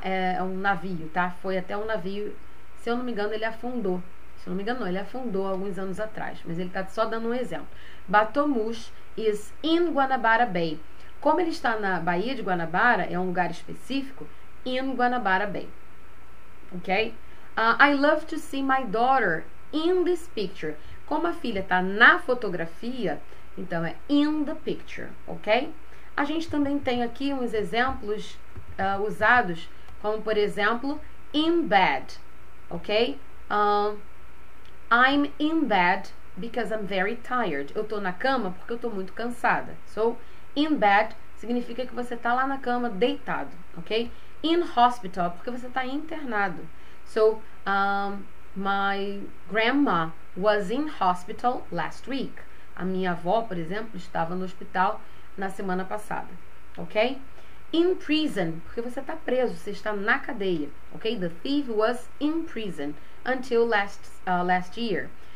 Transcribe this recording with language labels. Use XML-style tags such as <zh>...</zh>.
<pt>É um navio, tá? Foi até um navio, se eu não me engano, ele afundou. Se eu não me engano, não, ele afundou alguns anos atrás, mas ele tá só dando um exemplo.</pt> <en>Batomus is in Guanabara Bay.</en> <pt>Como ele está na Baía de Guanabara, é um lugar específico, in Guanabara Bay. Ok?</pt> <en>I love to see my daughter in this picture.</en> <pt>Como a filha está na fotografia, então é in the picture, ok? A gente também tem aqui uns exemplos usados, como por exemplo, in bed, ok?</pt> <en>I'm in bed because I'm very tired.</en> <pt>Eu estou na cama porque eu estou muito cansada. So, in bed significa que você está lá na cama deitado, ok?</pt> <en>In hospital,</en> <pt>porque você está internado.</pt> <en>So, my grandma was in hospital last week.</en> <pt>A minha avó, por exemplo, estava no hospital na semana passada, ok? In prison, porque você está preso, você está na cadeia, ok?</pt> <en>The thief was in prison until last year.</en>